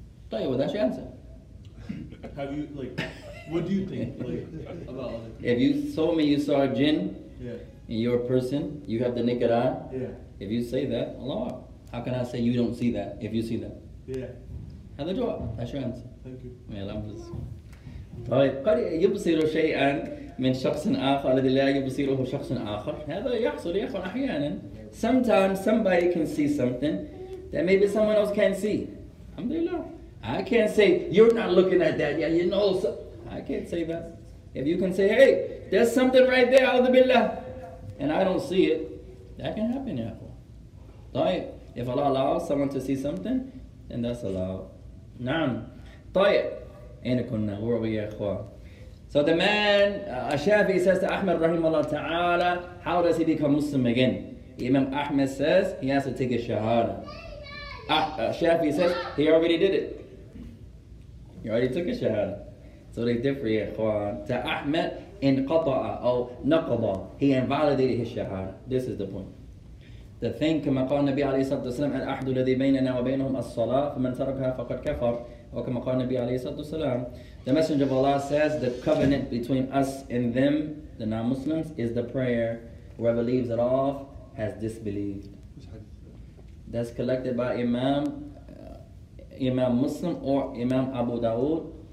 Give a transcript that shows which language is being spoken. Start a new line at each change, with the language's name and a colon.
English: Tell you what, that's your answer. Have you, like, what do you think, like, about other people? If you told me you saw a jinn in your person, you have the naked eye? Yeah. If you say that, Allah, how can I say you don't see that if you see that? Yeah. Have the job. That's your answer. Thank you. يا لامبس.
Arabic: طيب قد يبصر شيئا من شخص آخر الذي لا يبصره شخص آخر. هذا يحصل أحيانا.
English: Sometimes somebody can see something that maybe someone else can't see. Alhamdulillah. I can't say you're not looking at that. Yeah, you know. So. I can't say that. If you can say, hey, there's something right there, alhamdulillah, and I don't see it, that can happen. Yeah. طيب if Allah allows someone to see something, then that's allowed.
Arabic: نعم.
English: So the man, Shafi'i says to Ahmed rahimahullah ta'ala, how does he become Muslim again? Imam Ahmed says, he has to take a shahada. Shafi'i says, he already did it. He already took a shahada. So they differ, ya ikhwan. To Ahmed, in qata'a, or naqada, he invalidated his shahada. This is the point. The thing,
Arabic: كما قال النبي عليه الصلاة والسلام, الأحد الذي بيننا وبينهم الصلاة, فمن تركها فقد كفر.
English: The Messenger of Allah says, the covenant between us and them, the non-Muslims, is the prayer. Whoever leaves it off has disbelieved. That's collected by Imam Muslim or Imam Abu Dawood.